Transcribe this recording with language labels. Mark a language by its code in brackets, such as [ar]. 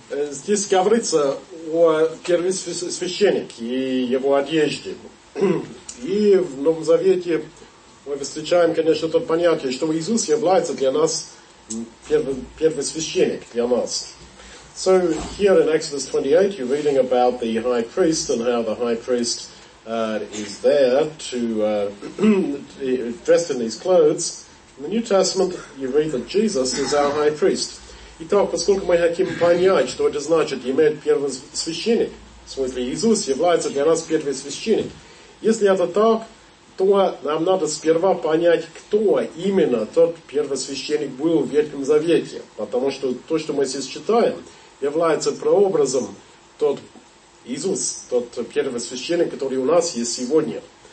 [ru] Здесь говорится о первосвященнике и его одежде. И в Новом Завете мы встречаем, конечно, то понятие, что Иисус является для нас первосвященник для нас. [en] So here in Exodus 28, you're reading about the high priest and how the high priest is there to dressed in these clothes. In the New Testament, you read that Jesus is our high priest. [ru] Итак, поскольку мы хотим понять, что это значит иметь первосвященник, в смысле Иисус является для нас первосвященник. Если это так, то нам надо сперва понять, кто именно тот первосвященник был в Ветхом Завете. Потому что то, что мы здесь читаем, является прообразом тот Иисус, тот первосвященник, который у нас есть сегодня.